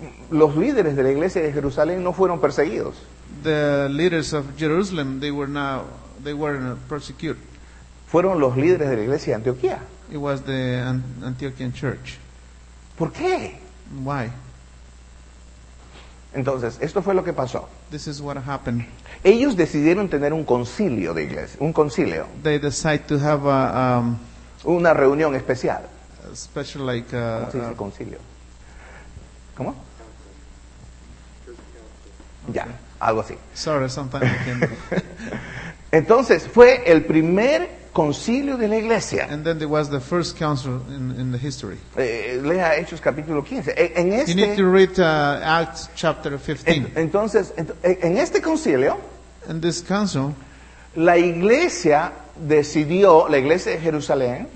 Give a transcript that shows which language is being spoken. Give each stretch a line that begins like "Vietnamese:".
Spanish: los líderes de la iglesia de Jerusalén no fueron perseguidos.
English: The leaders of Jerusalem they weren't persecuted.
Spanish: Fueron los líderes de la iglesia de Antioquía.
English: It was the Antiochian church.
Spanish: ¿Por qué?
English: Why?
Spanish: Entonces, esto fue lo que pasó.
English: This is what happened.
Spanish: Ellos decidieron tener un concilio de iglesia, un concilio.
English: They decided to have a
Spanish: una reunión especial.
English: Special like a
Spanish: ¿cómo se dice concilio? ¿Cómo?
English: Okay.
Spanish: Ya, algo así.
English: Sorry, sometimes I can't.
Spanish: Entonces, fue el primer concilio de la iglesia.
English: And then there was the first council in the history.
Spanish: Lea Hechos capítulo 15.
English: You need to read Acts chapter 15.
Spanish: Entonces, en este concilio,
English: in this council,
Spanish: la iglesia decidió, la iglesia de Jerusalén,